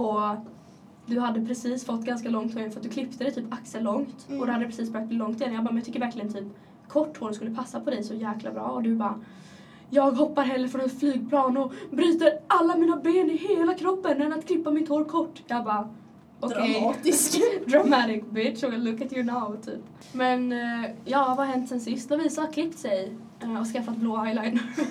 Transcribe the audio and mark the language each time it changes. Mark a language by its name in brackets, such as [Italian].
[Swedish] Och du hade precis fått ganska långt hår för att du klippte det typ axellångt. Mm. Och du hade precis börjat långt igen. Jag bara, men jag tycker verkligen typ kort hår skulle passa på dig så jäkla bra. Och du bara, jag hoppar hellre från ett flygplan och bryter alla mina ben i hela kroppen än att klippa mitt hår kort. Jag bara, okay. Dramatisk. [English] Dramatic bitch, well, look at you now typ. [Swedish] Men ja, vad har hänt sen sist? Lovisa har klippt sig och skaffat blå eyeliner.